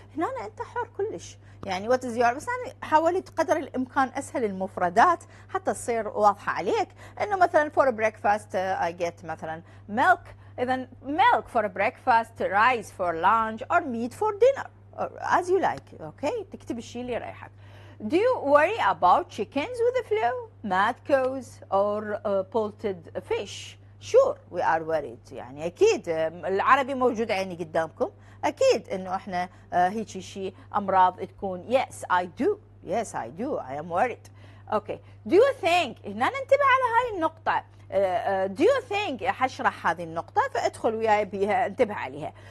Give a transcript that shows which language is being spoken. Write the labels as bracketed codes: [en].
[ar] هنا أنا أنت حر كلش، يعني [en] what is your، [ar] بس أنا حاولت قدر الإمكان أسهل المفردات حتى تصير واضحة عليك، أنه مثلا [en] for breakfast I get [ar] مثلا [en] milk، [ar] إذا [en] milk for breakfast, rice for lunch or meat for dinner or as you like. [ar] أوكي، تكتب الشيء اللي يريحك. [en] Do you worry about chickens with the flu, mad cows or poulted fish? Sure, we are worried. [ar] يعني أكيد العربي موجود عيني قدامكم، أكيد إنه إحنا هيك شيء أمراض تكون. [en] Yes, I do. Yes, I do. I am worried. Okay. Do you think؟ [ar] هنا ننتبه على هاي النقطة. [en] Do you think؟ [ar] حشرح هذه النقطة فادخل وياي بيها، انتبه عليها.